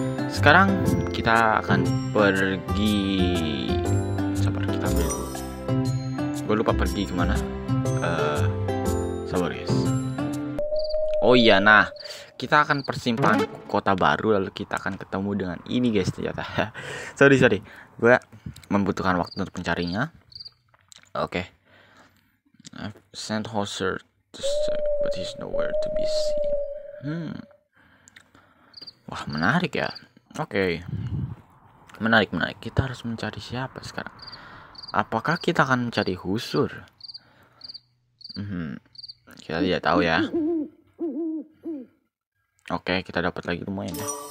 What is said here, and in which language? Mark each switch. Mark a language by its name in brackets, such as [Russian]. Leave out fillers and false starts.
[Indonesian] Sekarang kita akan pergi. Sabar, kita ambil. Gue lupa pergi kemana. Sabar guys. Oh iya, nah, kita akan persimpangan kota baru, lalu kita akan ketemu dengan ini guys ternyata. Sorry. Gue membutuhkan waktu untuk mencarinya. Oke. [English] I've sent Hoser to say, but he's nowhere to be seen. [Indonesian] Wah, menarik ya. Oke. Menarik. Kita harus mencari siapa sekarang? Apakah kita akan mencari Hoser? Kita tidak tahu ya. Oke, kita dapat lagi lumayan ya.